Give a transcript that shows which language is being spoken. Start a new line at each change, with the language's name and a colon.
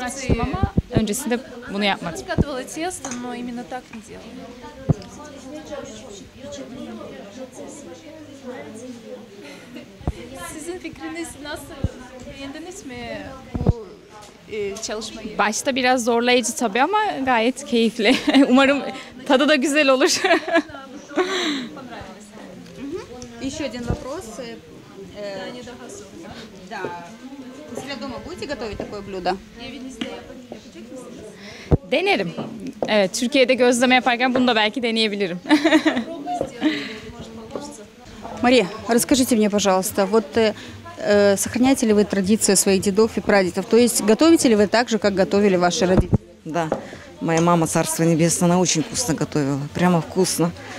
Turkish: açtım ama öncesinde bunu yapmadım.
Russian: Katvalı tiyasto, no именно так не делала.
Turkish: Sizin fikriniz nasıl? Beğendiniz mi bu çalışmayı. Başta biraz zorlayıcı tabii ama gayet keyifli. Umarım tadı da güzel olur.
Russian: Еще один вопрос. Да. Если дома будете готовить такое блюдо?
Turkish: Denerim. Evet, Türkiye'de gözleme yaparken bunu da belki deneyebilirim.
Russian: Мария, расскажите мне, пожалуйста, вот сохраняете ли вы традиции своих дедов и прадедов? То есть готовите ли вы так же, как готовили ваши родители? Да. Моя мама, царство небесное, она очень вкусно готовила. Прямо вкусно.